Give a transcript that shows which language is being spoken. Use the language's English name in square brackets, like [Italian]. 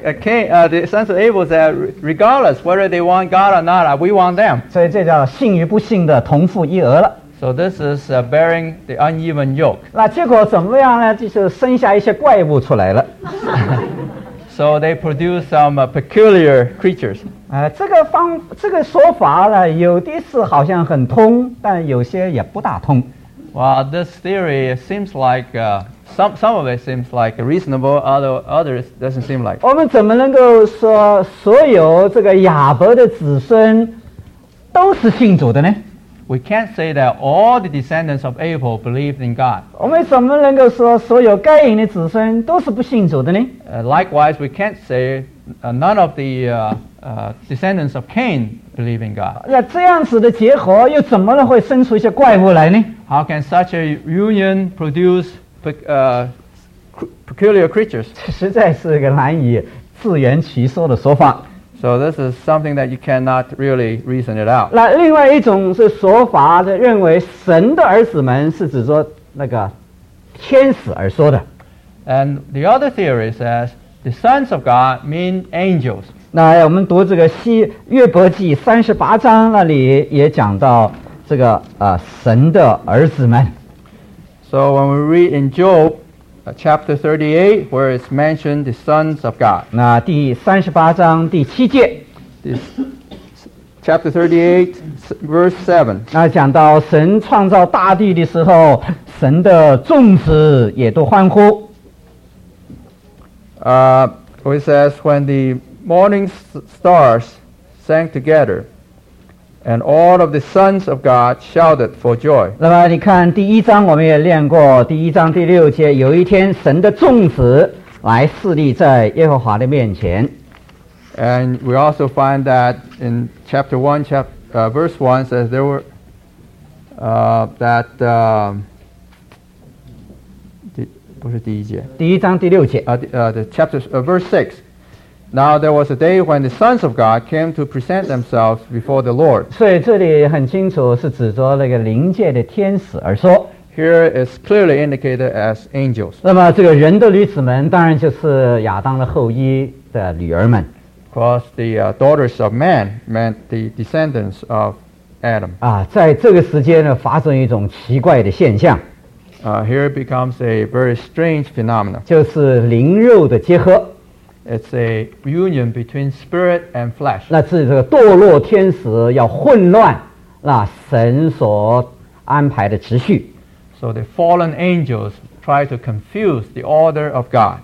[English] The sons of Abel said, regardless whether they want God or not, we want them. [Chinese] 所以这叫信与不信的同父异儿了。 [English] So this is bearing the uneven yoke. [Chinese] 那结果怎么样呢？就是生下一些怪物出来了。 [English] So they produce some peculiar creatures. [Chinese] 这个说法呢，有的是好像很通，但有些也不大通。 [English] Well, this theory seems like some of it seems like reasonable, others doesn't seem like. [Chinese] 我们怎么能够说所有这个亚伯的子孙都是信主的呢？ [English] We can't say that all the descendants of Abel believed in God. [Chinese] 我们怎么能够说所有该隐的子孙都是不信主的呢？ [English] Likewise, we can't say none of the descendants of Cain believe in God. [Chinese] 那这样子的结合又怎么会生出一些怪物来呢？ [English] How can such a union produce peculiar creatures? [Chinese] 实在是个难以自圆其说的说法。 [English] So this is something that you cannot really reason it out. [Chinese] 那另外一种是说法的，认为神的儿子们是指说那个天使而说的。 [English] And the other theory says the sons of God mean angels. [Chinese] 那我们读这个约伯记三十八章，那里也讲到这个神的儿子们。 [English] So when we read in Job, chapter 38, where it's mentioned the sons of God. [Chinese] 那第三十八章第七节。 [English] Chapter 38, verse 7. [Chinese] 那讲到神创造大地的时候，神的众子也都欢呼。 [English] It says, when the morning stars sang together, and all of the sons of God shouted for joy. [Chinese] 那么你看第一章我们也练过，第一章第六节，有一天神的众子来侍立在耶和华的面前。 [English] And we also find that in verse 1 says there were verse 6. Now there was a day when the sons of God came to present themselves before the Lord. [Chinese] 所以这里很清楚是指着那个灵界的天使而说。 [English] Here is clearly indicated as angels. [Chinese] 那么这个人的女子们当然就是亚当的后裔的女儿们。 [English] Because the daughters of man meant the descendants of Adam. [Chinese] 啊，在这个时间呢，发生一种奇怪的现象。 [English] Here becomes a very strange phenomenon. [Chinese] 就是灵肉的结合。 [English] It's a union between spirit and flesh. [Chinese] 那是这个堕落天使要混乱那神所安排的秩序。 [English] So the fallen angels try to confuse the order of God.